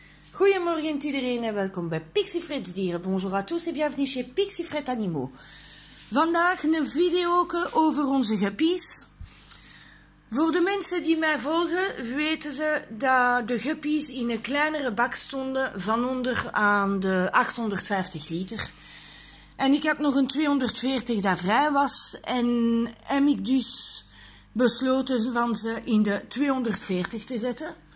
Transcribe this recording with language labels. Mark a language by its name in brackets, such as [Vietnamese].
[Dutch] Goedemorgen iedereen en welkom bij Pixie Frits Dieren. [French] Bonjour à tous et bienvenue chez Pixie Frit Animaux. [Dutch] Vandaag een video over onze guppies. Voor de mensen die mij volgen, weten ze dat de guppies in een kleinere bak stonden van onder aan de 850 liter. En ik had nog een 240 dat vrij was en heb ik dus besloten van ze in de 240 te zetten.